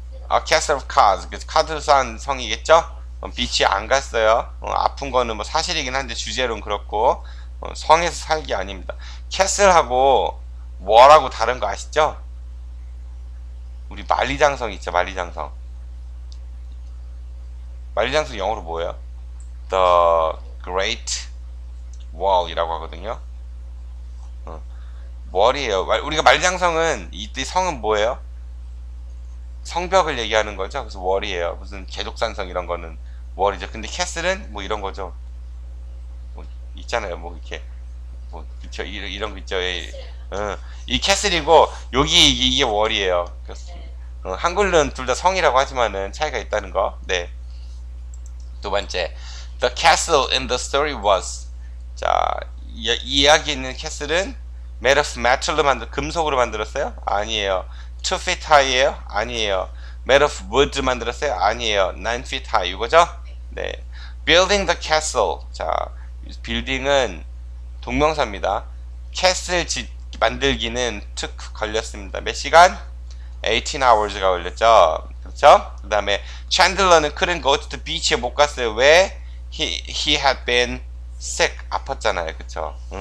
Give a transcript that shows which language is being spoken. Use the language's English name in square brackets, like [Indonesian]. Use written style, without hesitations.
[English] A castle of cards. [Korean] 그 카드 쌓은 성이겠죠? 비치 안 갔어요. 아픈 거는 뭐 사실이긴 한데 주제론 그렇고 성에서 살기 아닙니다. 캐슬하고 뭐라고 다른 거 아시죠? 우리 만리장성 있죠? 만리장성. 만리장성 영어로 뭐예요? [English] The Great Wall이라고 하거든요. Wall이에요. [Korean] 우리가 만리장성은 이 성은 뭐예요? 성벽을 얘기하는 거죠. 그래서 월이에요. 무슨 계족산성 이런 거는 월이죠. 근데 캐슬은 뭐 이런 거죠. 있잖아요. 뭐 이렇게 뭐 그쵸 이런 거 있죠. 이 캐슬이고 여기 이게 월이에요. 한글로는 둘다 성이라고 하지만은 차이가 있다는 거. 네. [English] 두 번째, The castle in the story was [Korean] 자, 이 이야기 있는 캐슬은 [English] made of metal로 만들 금속으로 만들었어요? [Korean] 아니에요. [English] 2 feet high예요? [Korean] 아니에요. [English] Made of wood 만들었어요? [Korean] 아니에요. [English] 9 feet high 이거죠? 네. Building the castle. [Korean] 자, building은 동명사입니다. Castle 만들기는 took 걸렸습니다. 몇 시간? 18 hours가 걸렸죠. 그렇죠? 그 다음에 Chandler는 [English] couldn't go to the beach [Korean] 에 못 갔어요. [English] 왜? He had been sick. [Korean] 아팠잖아요. 그렇죠?